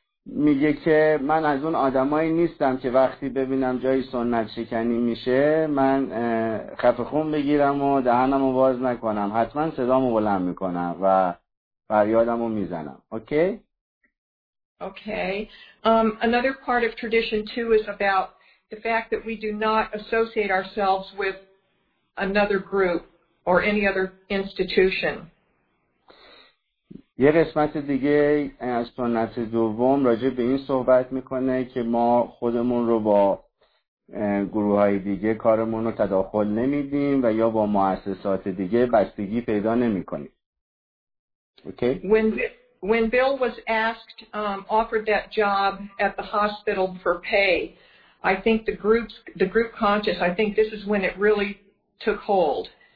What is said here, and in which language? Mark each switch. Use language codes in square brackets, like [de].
[fa] میگه که من از اون آدمایی نیستم که وقتی ببینم جایی سنت شکنی میشه من خفه خون بگیرم و دهنم رو باز نکنم، حتما صدامو بلند میکنم و فریادمو میزنم. [en] Okay okay. Another part of tradition too is about the fact that we do not associate ourselves with another group or any other institution. [fa] یه قسمت دیگه از سنت دوم راجع به این صحبت میکنه که ما خودمون رو با گروه های دیگه کارمون رو تداخل نمیدیم و یا با مؤسسات دیگه بستگی پیدا نمی کنیم. [en] Okay? When Bill was asked, offered that job at the hospital for pay, I think the group conscious, I think this is when it really took hold.